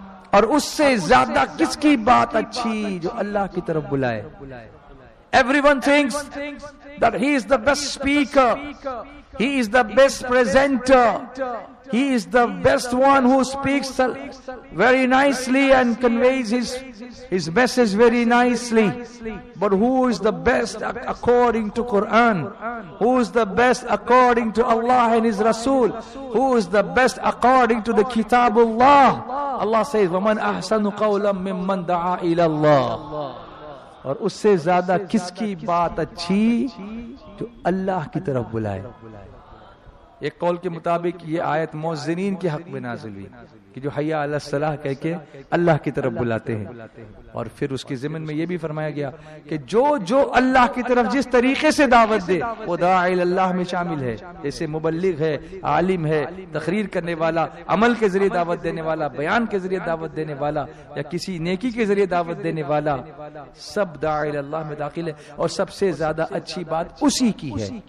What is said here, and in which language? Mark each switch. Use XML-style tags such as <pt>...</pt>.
<ur>اور اس سے زیادہ کس کی بات اچھی جو اللہ کی طرف بلائے</ur> <en>Everyone thinks that he is the best speaker. He is the best presenter. He is the best one who speaks very nicely and conveys his message very nicely. But who is the best according to Quran? Who is the best according to Allah and His Rasul? Who is the best according to the Kitabullah? Allah says,</en> <ar>وَمَنْ أَحْسَنُ قَوْلًا مِمَّنْ دَعَى إِلَى اللَّهِ</ar> <ur>اور اس سے زیادہ کس کی بات اچھی جو اللہ کی طرف بلائے ایک قول کے مطابق یہ آیت مؤذنین کے حق میں نازل ہوئی کہ جو حیا علی الصلاح کہہ کے اللہ کی طرف بلاتے ہیں اور پھر اس کے ضمن میں یہ بھی فرمایا گیا کہ جو اللہ کی طرف جس طریقے سے دعوت دے وہ دعا اللہ میں شامل ہے جیسے مبلغ ہے عالم ہے تقریر کرنے والا عمل کے ذریعے دعوت دینے والا بیان کے ذریعے دعوت دینے والا یا کسی نیکی کے ذریعے دعوت دینے والا سب دعا اللہ میں داخل ہے اور سب سے زیادہ اچھی بات اسی کی ہے</ur>